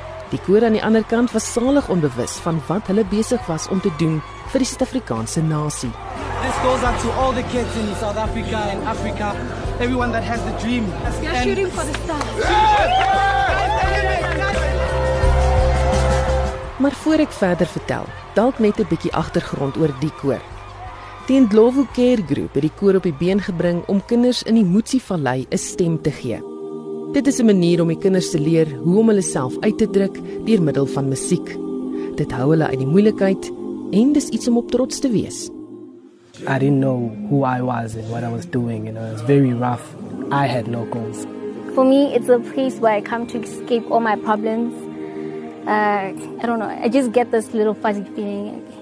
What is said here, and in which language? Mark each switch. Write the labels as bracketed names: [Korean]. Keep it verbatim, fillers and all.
[Afrikaans] Die koor aan die ander kant was salig onbewus van wat hulle besig was om te doen vir die Suid-Afrikaanse nasie. [English] This goes out to all the kids in South Africa and Africa, everyone that has the dream. We are shooting for the stars. [Afrikaans] Maar voor ek verder vertel, dalk net 'n bietjie agtergrond oor die koor. Die Ndlovu Care Group het die koor op die been gebring om kinders in die Motsi-vallei 'n stem te gee. Dit is 'n manier om die kinders te leer hoe om hulle self uit te druk deur middel van musiek. Dit hou hulle uit die moeilikheid en dis iets om op trots te wees. [English] I didn't know who I was and what I was doing, you know, it was very rough. I had no goals. For me, it's a place where I come to escape all my problems. Uh, I don't know, I just get this little fuzzy feeling.